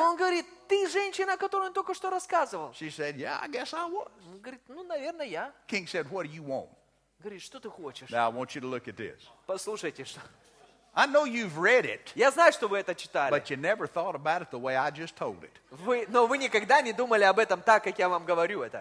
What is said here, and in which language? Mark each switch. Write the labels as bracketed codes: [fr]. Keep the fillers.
[ru] Он говорит, ты женщина, которой он только что рассказывал. [en] She said, yeah, I guess I was. [ru] Он говорит, ну, наверное, я. [en] Yeah. King said, what do you want? [ru] Говорит, что ты хочешь? [en] Now I want you to look at this. [ru] Послушайте, что... [en] I know you've read it. [ru] Я знаю, что вы это читали. [en] But you never thought about it the way I just told it. [ru] Вы, но вы никогда не думали об этом так, как я вам говорю это.